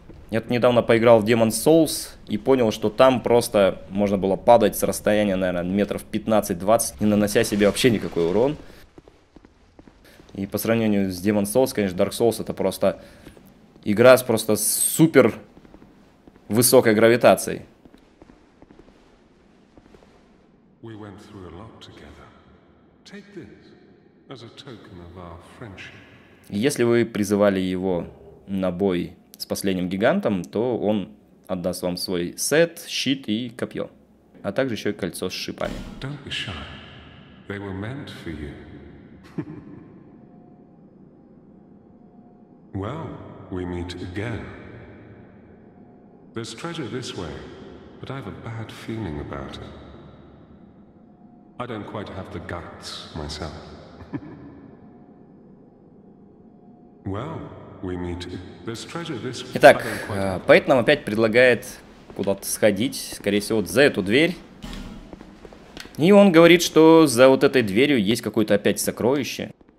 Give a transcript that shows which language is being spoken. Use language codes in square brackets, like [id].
[ru] Я тут недавно поиграл в Demon's Souls и понял, что там просто можно было падать с расстояния, наверное, метров 15-20, не нанося себе вообще никакой урон. И по сравнению с Demon's Souls, конечно, Dark Souls это просто игра с просто супер высокой гравитацией. [en] We went through a lot together. Take this as a token of our friendship. [ru] Если вы призывали его на бой с последним гигантом, то он отдаст вам свой сет, щит и копье. А также еще и кольцо с шипами. [en] Don't be shy. They were meant for you. Well, we meet again. There's treasure this way, but I have a bad feeling about it. I don't quite have the guts myself. Well, we meet. There's treasure this way. [ru] Итак, поэт нам опять предлагает куда-то сходить, скорее всего, вот за эту дверь. И он говорит, что за вот этой дверью есть какое-то опять сокровище.